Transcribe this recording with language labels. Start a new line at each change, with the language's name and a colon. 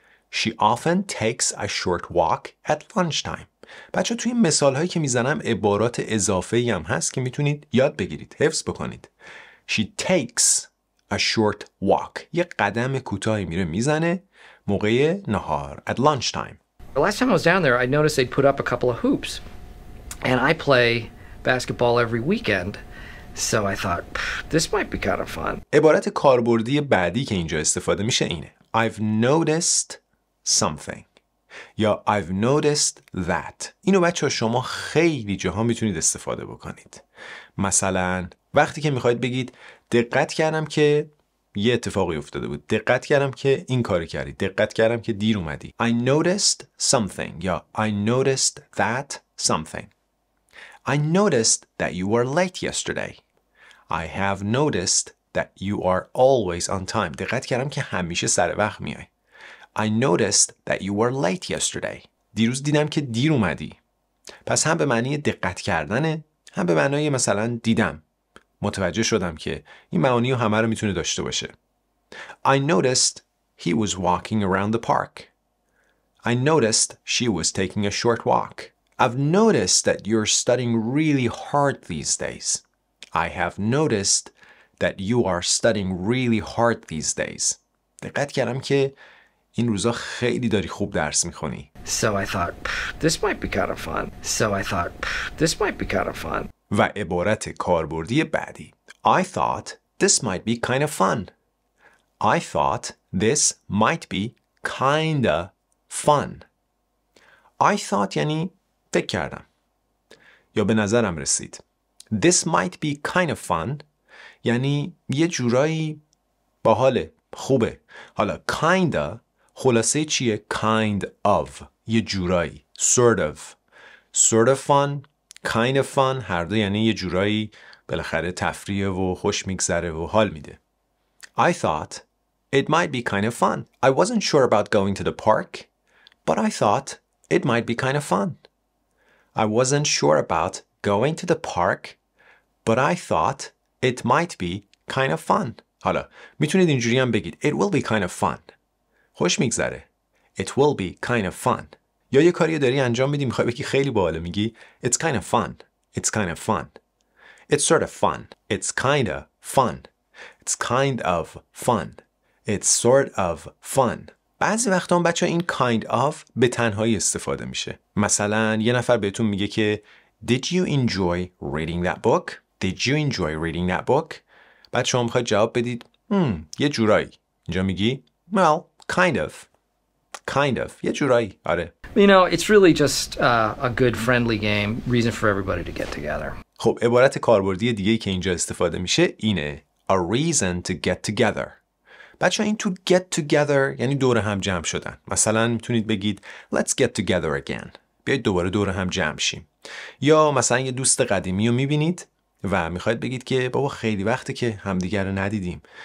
English: She often takes a short walk at lunchtime.
Persian: بچه توی مثال هایی که میزنم عبارات اضافه ای هم هست که میتونید یاد بگیرید، حفظ بکنید.
English: She takes a short walk.
Persian: یه قدم کوتاهی میره میزنه موقع نهار.
English: At lunchtime. The last time I was down there, I noticed they put up a couple of hoops. And I play basketball every weekend, so I thought, this might be kind of fun.
Persian: عبارت کاربردی بعدی که اینجا استفاده میشه اینه:
English: I've noticed something. یا I've noticed that.
Persian: اینو بچه شما خیلی جاها میتونید استفاده بکنید. مثلا وقتی که میخواید بگید دقت کردم که یه اتفاقی افتاده بود، دقت کردم که این کاری کردی، دقت کردم که دیر اومدی.
English: I noticed something. یا I noticed that something. I noticed that you were late yesterday. I have noticed that you are always on time.
Persian: دقت کردم که همیشه سر وقت میای.
English: I noticed that you were late yesterday.
Persian: دیروز دیدم که دیر اومدی. پس هم به معنی دقت کردنه، هم به معنی مثلا دیدم، متوجه شدم که. این معانی رو همه رو میتونه داشته باشه.
English: I noticed he was walking around the park. I noticed she was taking a short walk. I've noticed that you're studying really hard these days. I have noticed that you are studying really hard these days.
Persian: دقت کردم که این روزا خیلی داری خوب درس میخونی.
English: So I thought this might be kind of fun. So I thought this might be kind of fun.
Persian: و عبارت کاربردی بعدی:
English: I thought this might be kind of fun. I thought this might be kind of fun. I thought
Persian: یعنی فکر کردم یا به نظرم رسید.
English: This might be kind of fun
Persian: یعنی یه جورایی باحاله، خوبه. حالا kind of خلاصه چیه؟ kind of یه جورایی،
English: sort of fun. Kind of fun
Persian: هر دو یعنی یه جورایی بالاخره تفریح و خوش میگذره و حال میده.
English: I thought it might be kind of fun. I wasn't sure about going to the park, but I thought it might be kind of fun. I wasn't sure about going to the park, but I thought it might be kind of fun.
Persian: حالا میتونید اینجوری هم بگید:
English: It will be kind of fun.
Persian: خوش میگذره.
English: It will be kind of fun.
Persian: یا یه کاری داری انجام میدی میخوای بگی خیلی باحاله، میگی
English: It's kind of fun. It's kind of fun. It's sort of fun. It's kind of fun. It's kind of fun. It's sort of fun.
Persian: بعضی وقتا هم بچه این kind of به تنهایی استفاده میشه. مثلا یه نفر بهتون میگه که
English: Did you enjoy reading that book? Did you enjoy reading that book?
Persian: بعد شما میخوای جواب بدید یه جورایی. اینجا میگی
English: Well, kind of. Kind of.
Persian: یه جورایی. آره.
English: You know, it's really just a good friendly game, reason for everybody to get together.
Persian: خب عبارت کاربردی دیگه‌ای که اینجا استفاده میشه اینه
English: a reason to get together.
Persian: بچه‌ها این تو get together یعنی دور هم جمع شدن. مثلا میتونید بگید
English: let's get together again.
Persian: بیایید دوباره دور هم جمع شیم. یا مثلا یه دوست قدیمی رو میبینید و میخواید بگید که بابا خیلی وقته که همدیگر رو ندیدیم.